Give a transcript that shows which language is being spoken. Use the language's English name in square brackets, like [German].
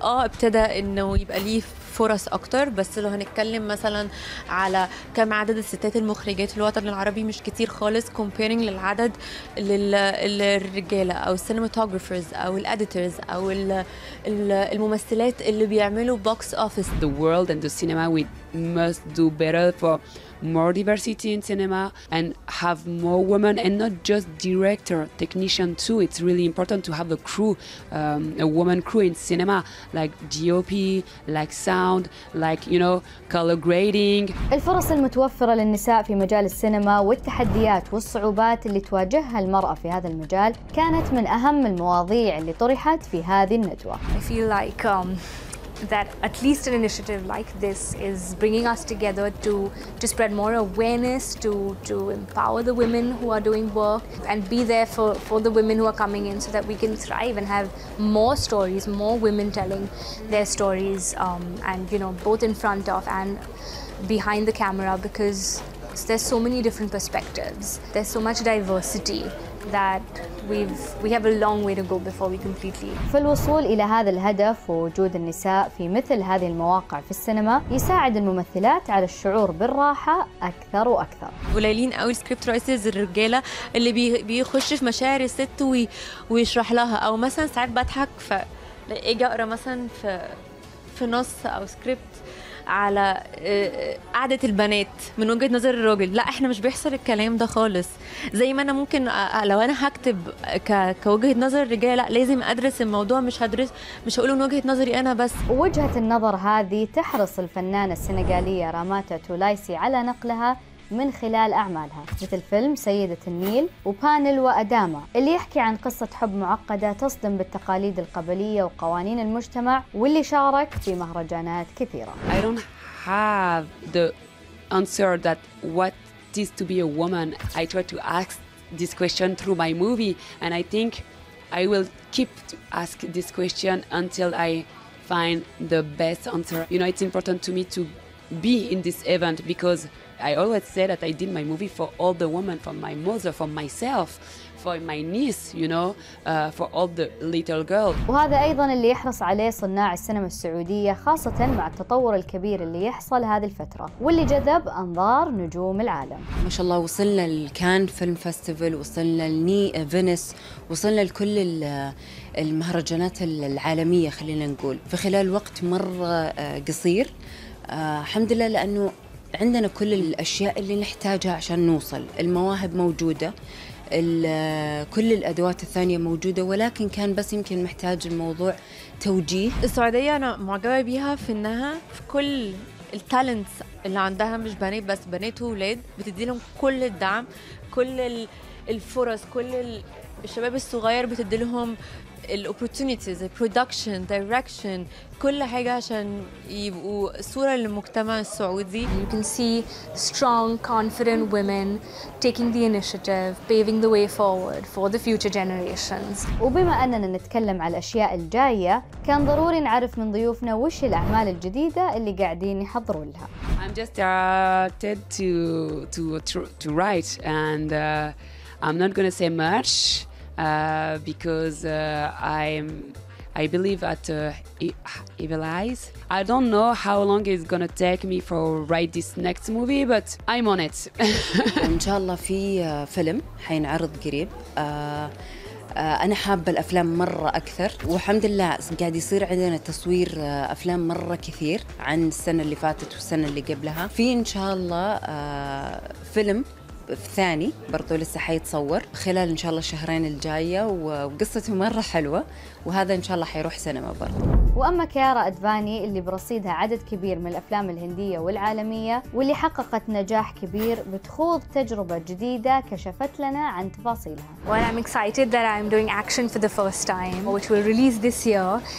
[Arabic] ابتدى إنه يبقى ليه فرص أكتر، بس لو هنتكلم مثلا على كم عدد الستات المخرجات في الوطن العربي مش كتير خالص [English] comparing [Arabic] للعدد للرجالة أو cinematographers أو الأديترز أو الممثلات اللي بيعملوا box office. [English] The world and the cinema we must do better for more diversity in cinema and have more women, and not just director, technician too. It's really important to have a crew, a woman crew in cinema, like DOP, like sound, like, you know, color grading. [Arabic] الفرص المتوفرة للنساء في مجال السينما والتحديات والصعوبات اللي تواجهها المرأة في هذا المجال كانت من أهم المواضيع اللي طرحت في هذه الندوة. [English] I feel like that at least an initiative like this is bringing us together to spread more awareness, to empower the women who are doing work and be there for the women who are coming in, so that we can thrive and have more stories, more women telling their stories, and you know, both in front of and behind the camera, because there's so many different perspectives, there's so much diversity that we have a long way to go before we completely. [Arabic] فالوصول إلى هذا الهدف ووجود النساء في مثل هذه المواقع في السينما يساعد الممثلات على الشعور بالراحة أكثر وأكثر. قليلين أو السكريبت رايترز الرجالة اللي بيخش في مشاعر الست ويشرح لها، أو مثلا ساعات بضحك فإجي أقرأ مثلا في نص أو سكريبت على قعدة البنات من وجهة نظر الراجل، لا احنا مش بيحصل الكلام ده خالص. زي ما انا ممكن لو انا هكتب كوجهة نظر رجال، لا لازم ادرس الموضوع، مش هقوله من وجهة نظري انا بس. وجهة النظر هذه تحرص الفنانة السنغالية راماتا تولايسي على نقلها من خلال أعمالها مثل فيلم سيدة النيل وبانل وأداما، اللي يحكي عن قصة حب معقدة تصدم بالتقاليد القبلية وقوانين المجتمع، واللي شارك في مهرجانات كثيرة. [English] I don't have the answer that what it is to be a woman. I try to ask this question through my movie, and I think I will keep to ask this question until I find the best answer. You know, it's important to me to be in this event because I always say that I did my movie for all the women, for my mother, for myself, for my niece, you know, for all the little girls. [Arabic] وهذا أيضاً اللي يحرص عليه صناع السينما السعودية، خاصة مع التطور الكبير اللي يحصل هذه الفترة واللي جذب أنظار نجوم العالم. ما شاء الله وصلنا للكان فيلم فيستيفال، وصلنا لني فينيس، وصلنا لكل المهرجانات العالمية خلينا نقول في خلال وقت مرة قصير. الحمد لله، لأنه عندنا كل الأشياء اللي نحتاجها عشان نوصل. المواهب موجودة، كل الأدوات الثانية موجودة، ولكن كان بس يمكن محتاج الموضوع توجيه. السعودية أنا معجبة بيها في أنها في كل التالنتس اللي عندها، مش بنات بس، بنات وولاد، بتدي لهم كل الدعم، كل الفرص، كل الشباب الصغير بتدي لهم الopportunities، production، direction، كل حاجة عشان يبقوا صورة للمجتمع السعودي. [English] You can see strong, confident women taking the initiative, paving the way forward for the future generations. [Arabic] وبما أننا نتكلم على الأشياء الجاية، كان ضروري نعرف من ضيوفنا وش الأعمال الجديدة اللي قاعدين يحضروا لها. [English] I'm just started to write and I'm not gonna say much. Because I believe at Evil Eyes. I don't know how long it's gonna take me for write this next movie, but I'm on it. [Arabic] إن شاء الله في فيلم حينعرض قريب. أنا حابة الأفلام مرة أكثر، والحمد لله قاعد يصير عندنا تصوير أفلام مرة كثير عن السنة اللي فاتت والسنة اللي قبلها. في إن شاء الله فيلم الثاني برضو لسه حيتصور خلال إن شاء الله الشهرين الجاية، وقصته مرة حلوة، وهذا إن شاء الله حيروح سينما برضو. وأما كيارا أدفاني اللي برصيدها عدد كبير من الأفلام الهندية والعالمية واللي حققت نجاح كبير، بتخوض تجربة جديدة كشفت لنا عن تفاصيلها. [English] Well, I'm excited that I'm doing action for the first time, which will release this year.